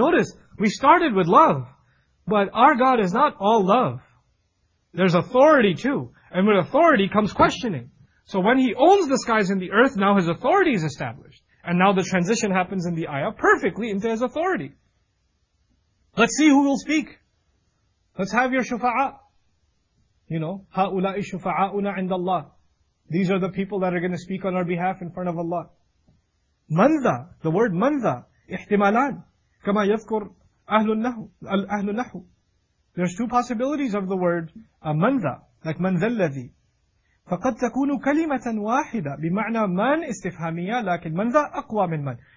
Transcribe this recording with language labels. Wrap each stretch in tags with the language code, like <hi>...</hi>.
<en>Notice, we started with love. But our God is not all love. There's authority too. And with authority comes questioning. So when He owns the skies and the earth, now His authority is established. And now the transition happens in the ayah perfectly into His authority. Let's see who will speak. Let's have your shufa'a. You know,</en> <ar>هَؤُلَاءِ شُفَعَاءُنَا عِنْدَ اللَّهِ.</ar> <en>These are the people that are going to speak on our behalf in front of Allah. Manza, the word manza,</en> <ar>ihtimalan, kama yathkur ahlun nahu.</ar> <en>There's two possibilities of the word manza, like manzalladhi.</en> <ar>فَقَدْ تَكُونُ كَلِمَةً وَاحِدًا بِمَعْنَى مَنْ إِسْتِفْهَامِيَّا لَكِنْ مَنْذَا أَقْوَى مِنْ مَنْ.</ar>